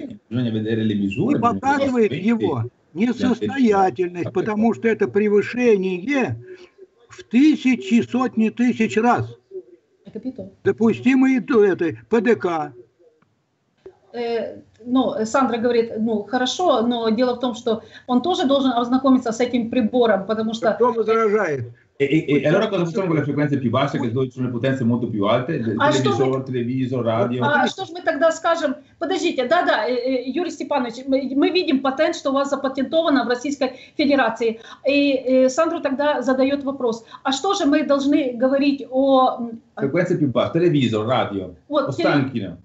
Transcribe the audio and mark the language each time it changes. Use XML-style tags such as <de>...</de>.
<ru>И показывает его несостоятельность, потому что это превышение в тысячи, сотни тысяч раз. Допустимые ПДК. Ну, Сандра говорит, ну, хорошо, но дело в том, что он тоже должен ознакомиться с этим прибором, потому что... Кто возражает?</ru> <it>Allora cosa facciamo con le frequenze più basse, che sono le potenze molto più alte? Televisor, radio?</it> <ru>А что же мы тогда скажем? Подождите, да-да, Юрий Степанович, мы видим патент, что у вас запатентовано в Российской Федерации. И Сандра тогда задает вопрос, а что же мы должны говорить о...</ru> <it>Frequenze più basse,</it> <ru>телевизор, радио,</ru> <it>Останкино.</it>